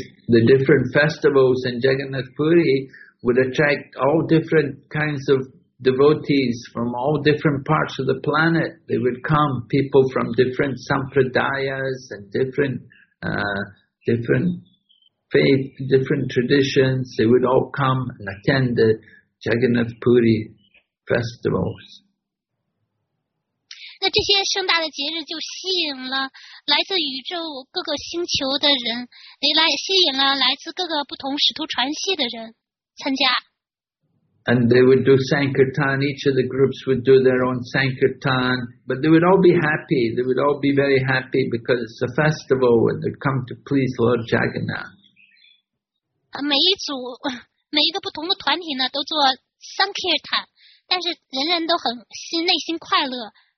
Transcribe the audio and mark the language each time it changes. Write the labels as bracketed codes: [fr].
[en] The different festivals in Jagannath Puri would attract all different kinds of devotees from all different parts of the planet. They would come, people from different sampradayas and different faith, different traditions, they would all come and attend the Jagannath Puri festivals. [zh] 那这些盛大的节日就吸引了来自宇宙各个星球的人，也来吸引了来自各个不同使徒传系的人参加。 [en] And they would do Sankirtan, each of the groups would do their own Sankirtan, but they would all be happy, they would all be very happy because it's a festival and they'd come to please Lord Jagannath. [zh] 每一组，每一个不同的团体呢，都做 Sankirtan, 但是人人都很心，内心快乐。